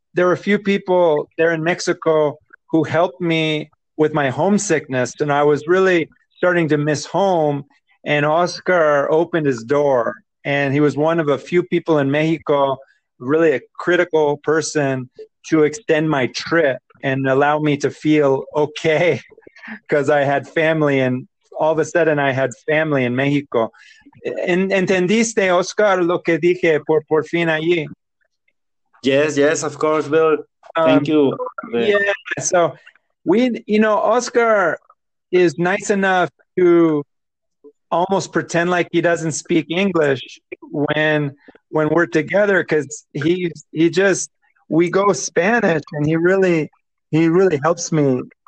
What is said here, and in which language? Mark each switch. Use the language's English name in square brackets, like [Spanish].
[English] There were a few people there in Mexico who helped me with my homesickness, and I was really starting to miss home, and Oscar opened his door And he was one of a few people in Mexico, really a critical person to extend my trip and allow me to feel okay because I had family, and all of a sudden I had family in Mexico. [Spanish] ¿Entendiste, Oscar, lo que dije por fin allí? [English] Yes, yes, of course, Bill. Thank you. Yeah, so we, you know, Oscar is nice enough to almost pretend like he doesn't speak English when we're together, because we go Spanish, and he really helps me.